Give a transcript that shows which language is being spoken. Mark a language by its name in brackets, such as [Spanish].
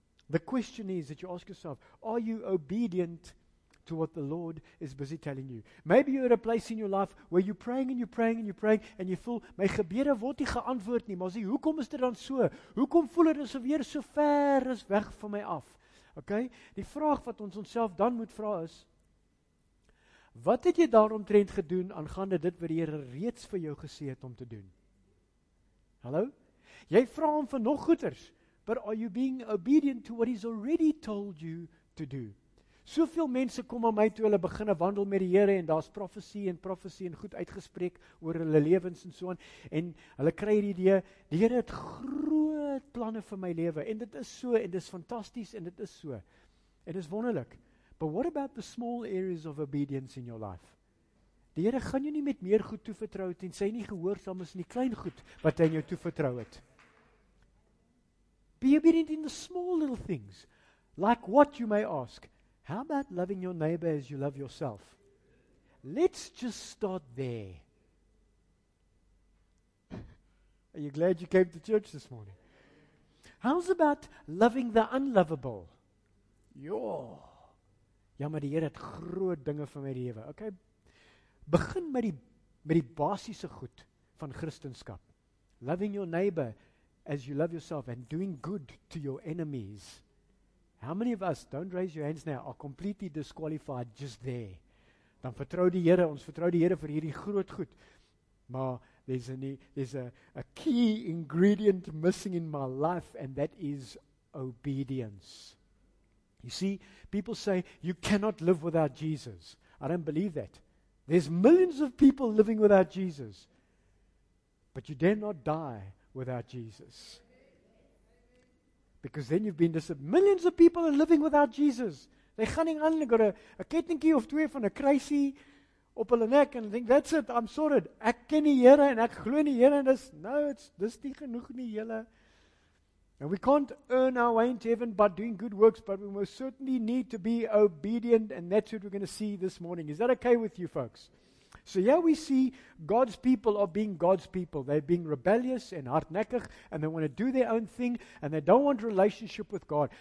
[English] The question is that you ask yourself, are you obedient to what the Lord is busy telling you? Maybe you're at a place in your life where you're praying and you're praying and you're praying and you feel, [Afrikaans] "My gebede word nie geantwoord nie, maar sê, hoekom is dit dan so? Hoekom voel dit asof Heer so ver is weg van my af?" Okay? Die vraag wat ons onsself dan moet vra is, wat het jy daaromtrent gedoen aangaande dit wat die Heer reeds vir jou gesê het om te doen? Hallo? Jy vra hom vir nog goeders, [English] but are you being obedient to what he's already told you to do? [Afrikaans] Soveel mense kom aan my toe, hulle begin wandel met die Here en daar's profesie en goed uitgespreek oor hulle lewens en so aan en hulle kry die idee, die Here het groot planne vir my lewe en dit is so en dit is fantasties en dit is so. En dit is wonderlik. [English] But what about the small areas of obedience in your life? [Afrikaans] Die Here gaan jou nie met meer goed toevertrou het en sy nie gehoorsaam is in die klein goed wat hy aan jou toevertrou het. [English] Be obedient in the small little things. Like what you may ask. How about loving your neighbor as you love yourself? Let's just start there. Are you glad you came to church this morning? How's about loving the unlovable? [Afrikaans] Ja, maar die Here het groot dinge vir my lewe. [English] Okay. [Afrikaans] Begin met die basiese goed van Christenskap. [English] Loving your neighbor as you love yourself and doing good to your enemies. How many of us, don't raise your hands now, are completely disqualified just there? [Afrikaans] Dan vertrou die Here, ons vertrou die Here vir hierdie groot goed. Maar [English] there's a key ingredient missing in my life and that is obedience. You see, people say, you cannot live without Jesus. I don't believe that. There's millions of people living without Jesus. But you dare not die without Jesus. Because then you've been disabled. Millions of people are living without Jesus. They're running on, they've got a [Afrikaans] kettingkie of twee van a kruisie op hulle nek, [English] and think, that's it, I'm sorted. [Afrikaans] Ek ken die Here en ek glo in die Here, and dis nie genoeg nie, julle. [English] And we can't earn our way into heaven by doing good works, but we most certainly need to be obedient, and that's what we're going to see this morning. Is that okay with you folks? So here we see God's people are being God's people. They're being rebellious and hardnekkig, and they want to do their own thing, and they don't want relationship with God.